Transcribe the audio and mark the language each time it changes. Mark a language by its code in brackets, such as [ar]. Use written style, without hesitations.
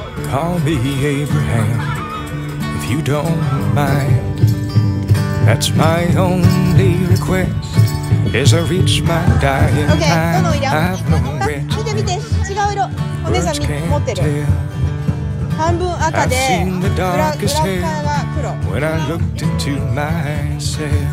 [en] Call me Abraham, if you don't mind. That's my only request, is I reach my dying time. Okay, I've no regrets. [ja] 見て見て、違う色。お姉さん持ってる。半分赤で、裏側が黒。 [en] When I looked into myself.